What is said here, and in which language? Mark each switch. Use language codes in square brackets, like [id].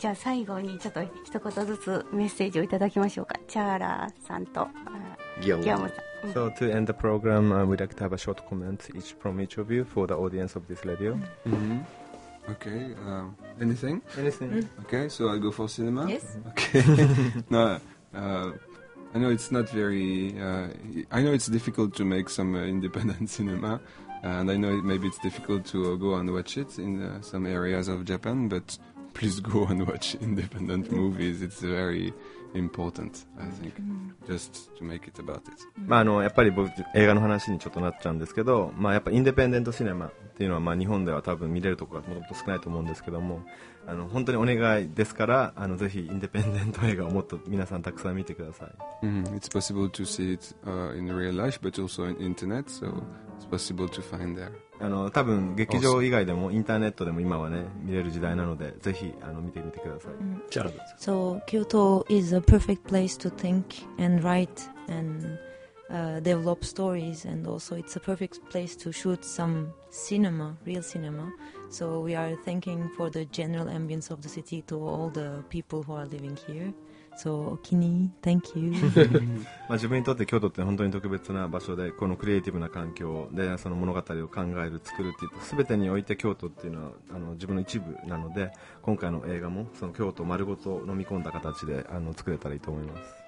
[ja] じゃあ最後にちょっと一言ずつメッセージをいただきましょうか。チャーラーさんとギアモさん。 [en] So to end the program, we'd like to have a short comment each from each of you for the audience of this radio. Okay. Anything? Anything. Okay. So I go for cinema. Yes. Okay. No. I know it's not very. I know it's difficult to make some independent cinema, and I know maybe it's difficult to go and watch it in some areas of Japan, but. Please go and watch independent movies. It's very important, I think, just to make it about it. [ja] まあ、あのやっぱり僕映画の話にちょっとなっちゃうんですけど、まあ、やっぱインデペンデントシネマっていうのは、まあ、日本では多分見れるところがもっと少ないと思うんですけども、あの本当にお願いですから、あのぜひインデペンデント映画をもっと皆さんたくさん見てください、 [en] It's possible to see it in real life, but also on internet, so it's possible to find there. [ja] あの多分劇場以外でもインターネットでも今はね見れる時代なのでぜひあの見てみてください。じゃあ。 [en] So Kyoto is a perfect place to think and write and、develop stories and also it's a perfect place to shoot some cinema, real cinema. So we are thanking for the general ambience of the city to all the people who are living here. So, Okini, thank you. [ja] まあ自分にとって京都って本当に特別な場所で、このクリエイティブな環境でその物語を考える、作るっていうと、すべてにおいて京都っていうのはあの自分の一部なので、今回の映画もその京都を丸ごと飲み込んだ形であの作れたらいいと思います。